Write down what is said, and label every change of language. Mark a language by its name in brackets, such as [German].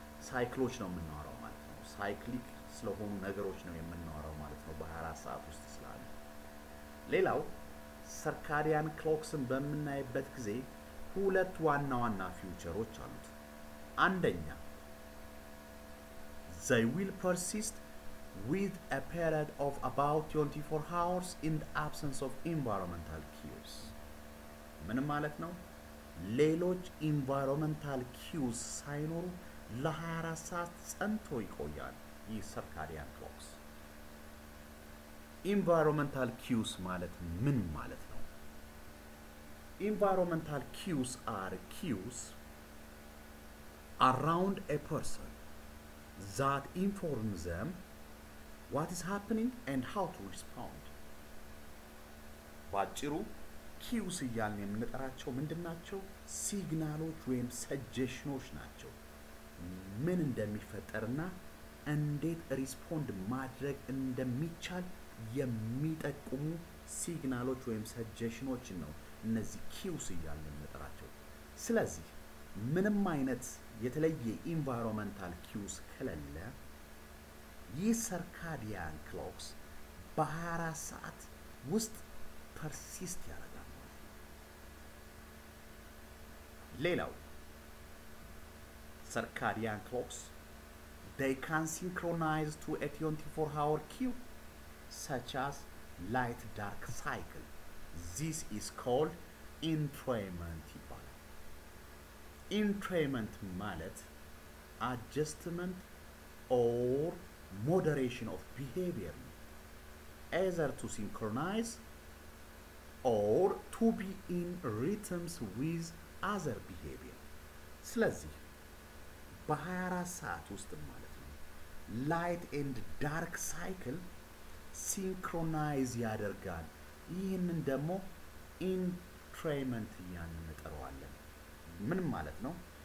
[Amharic] cycles ነው የምናወራው ማለት ነው። cyclic ስለሆኑ ነገሮች ነው የምናወራው ማለት ነው በ24 ሰዓት ውስጥ ስላሉ። ሌላው ሰርካዲያን ክሎክስን በምናይበት ጊዜ ሁለት ዋና ዋና ፊውቸሮች አሉት። አንደኛ [English] they will persist with a period of about 24 hours in the absence of environmental cues. [Amharic] ምን ማለት ነው? ሌሎች environmental cues ሳይኖሩ ለ24 ሰዓት ጸንቶ ይቆያል ይህ ሰርካዲያን ክሎክስ። environmental cues ማለት ምን ማለት ነው? [English] environmental cues are cues around a person that inform them what is happening and how to respond. [Amharic] ባጭሩ cues ይያልን የምንጠራቸው ምንድናቸው? ሲግናሎች ወይም suggestions ናቸው። ምን እንደሚፈጠርና እንዴት ሪስፖንድ ማድረግ እንደሚቻል የሚጠቁሙ ሲግናሎች ወይም ሰጀሽኖች ነው እነዚህ ኪውስ ይያልን መጥራቸው። ስለዚህ ምንም አይነት የተለየ ኢንቫይሮንመንታል ኪውስ ከሌለ ይህ ሰርካዲያን ክሎክስ በ24 ሰዓት ውስጥ ፐርሲስት ያደርጋል ማለት ነው። ሌላው [English] ሰርካዲያን ክሎክስ they can synchronize to a 24 hour cue such as light dark cycle. This is called entrainment ይባላል። entrainment ማለት adjustment or moderation of behavior either to synchronize or to be in rhythms with other behavior. [Amharic] ስለዚህ በ24 ሰዓት ውስጥ ማለት ነው [English] light and dark cycle synchronize [Amharic] ያደርጋል። ይህንን ደግሞ entrainment እንጠራዋለን። ምን ማለት ነው?